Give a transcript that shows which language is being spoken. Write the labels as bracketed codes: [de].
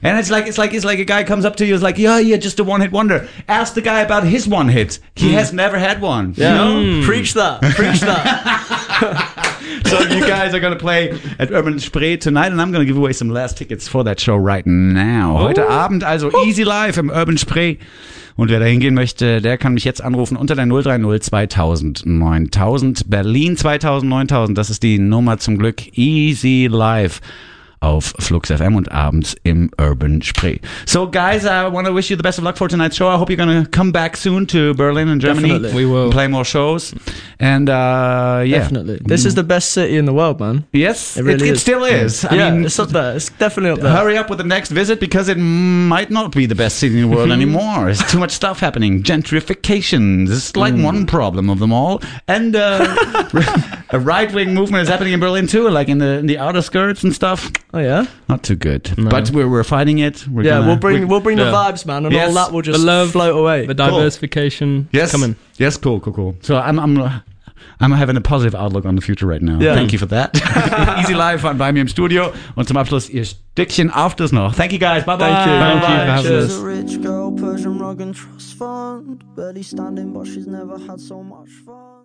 [en] And it's like a guy comes up to you, is like, yeah, just a one hit wonder. Ask the guy about his one hit. He has never had one. Yeah. No? Preach that. So you guys are going to play at Urban Spree tonight, and I'm going to give away some last tickets for that show right now. [de] Ooh. Heute Abend, also Easy Live im Urban Spree. Und wer da hingehen möchte, der kann mich jetzt anrufen unter der 030 2000 9000. Berlin 2000 9000, das ist die Nummer zum Glück. Easy Live auf Flux FM und abends im Urban Spree. [en] So guys, I want to wish you the best of luck for tonight's show. I hope you're going to come back soon to Berlin and Germany. Definitely. We will. Play more shows. And definitely. This is the best city in the world, man. Yes, it really is. Still is. I mean, it's up there. It's definitely up there. Hurry up with the next visit because it might not be the best city in the world anymore. There's too much stuff happening. Gentrification. This is like one problem of them all. And a right-wing movement is happening in Berlin too, like in the outer skirts and stuff. Oh yeah, not too good. No. But we're fighting it. We'll bring the vibes, man, and all that will just float away. The diversification, coming. Yes, cool. So I'm having a positive outlook on the future right now. Yeah. Thank you for that. [de] Easy Live on bei mir im Studio. Und zum Abschluss ihr Stückchen auf das noch. [en] Thank you guys. Bye bye. Thank you. Bye-bye. Thank you. Cheers. She's a rich girl, Persian rug and trust fund. Barely standing, but she's never had so much fun.